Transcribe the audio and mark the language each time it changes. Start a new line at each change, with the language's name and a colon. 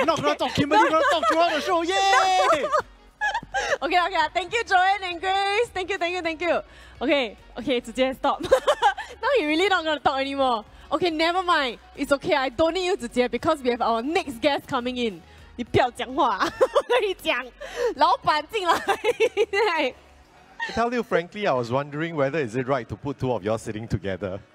English: I'm not going to talk Kimberly, I'm going to talk throughout the show. Yay! Okay, okay. Thank you, Joanne and Grace. Thank you, thank you, thank you. Okay, Zijie, stop. Now you're really not going to talk anymore. Okay, never mind. It's okay. I don't need you, Zijie, because we have our next guest coming in.
Chinese: 你不要讲话、啊，我跟你讲，老板进来。
English: I tell you frankly, I was wondering whether is it right to put two of you all sitting together.